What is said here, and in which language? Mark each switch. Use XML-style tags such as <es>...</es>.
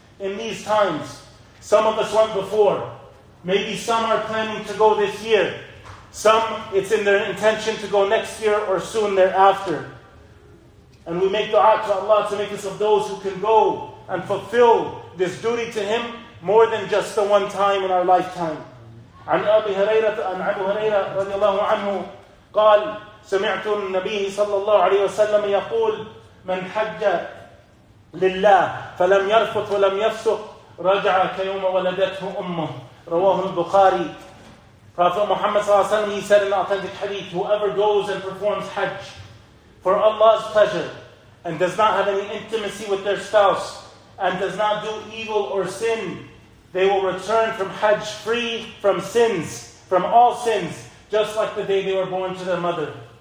<en>In these times, some of us went before. Maybe some are planning to go this year. Some, it's in their intention to go next year or soon thereafter. And we make dua to Allah to make us of those who can go and fulfill this duty to Him more than just the one time in our lifetime.</en> <ar>عن أبي هريرة عن أبو هريرة رضي الله عنه قال سمعت النبي صلى الله عليه وسلم يقول من حج لله فلم يرفث ولم يفسق رجع كيوم ولدته أمه رواه البخاري.</ar> <en>Prophet Muhammad صلى الله عليه وسلم, he said in the authentic hadith, whoever goes and performs Hajj for Allah's pleasure and does not have any intimacy with their spouse and does not do evil or sin, they will return from Hajj free from sins, from all sins, just like the day they were born to their mother.</en>